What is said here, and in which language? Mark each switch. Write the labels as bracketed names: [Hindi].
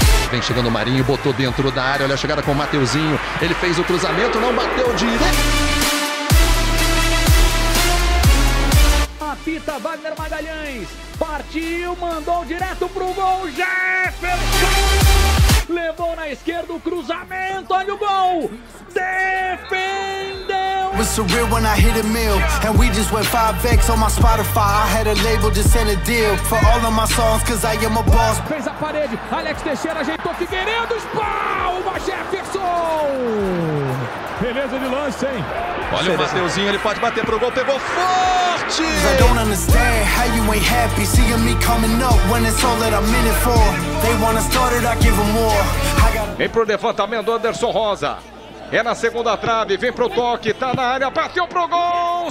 [Portuguese] Vem chegando o Marinho, botou dentro da área, olha a chegada com o Mateuzinho. Ele fez o cruzamento, não bateu direto. Apita Wagner Magalhães, partiu, mandou direto pro gol, Jefferson! Levou na esquerda o cruzamento, olha o gol! Defendeu! [English] Was surreal when I hit a mil. And we just went 5x on my Spotify. I had a label, just sent a deal for all of my songs, cause I am a boss. [Portuguese] Fez a parede, Alex Teixeira ajeitou Figueiredo, espalma, Jefferson! Beleza de lance, hein? Olha, beleza. O Mateuzinho, ele pode bater pro gol, pegou forte! [English] I don't understand how you ain't happy seeing me coming up when it's all that I'm in it for. They wanna start it, I give them more. [Portuguese] Vem pro levantamento do Anderson Rosa. É na segunda trave, vem pro toque, tá na área, bateu pro gol!